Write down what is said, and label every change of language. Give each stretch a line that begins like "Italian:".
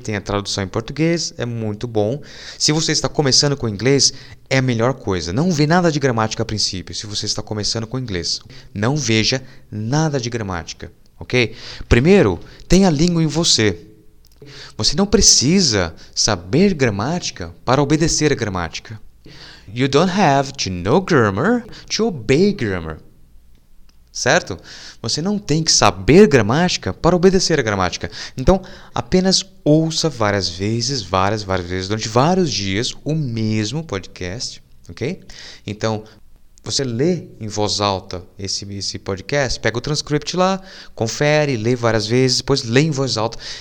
Portuguese: Tem a tradução em português, é muito bom. Se você está começando com inglês, é a melhor coisa. Não vê nada de gramática a princípio, se você está começando com inglês. Não veja nada de gramática, ok? Primeiro, tenha a língua em você. Você não precisa saber gramática para obedecer a gramática.
English: You don't have to know grammar to obey grammar.
Portuguese: Certo? Você não tem que saber gramática para obedecer a gramática. Então, apenas ouça várias vezes, durante vários dias, o mesmo podcast, ok? Então, você lê em voz alta esse podcast, pega o transcript lá, confere, lê várias vezes, depois lê em voz alta.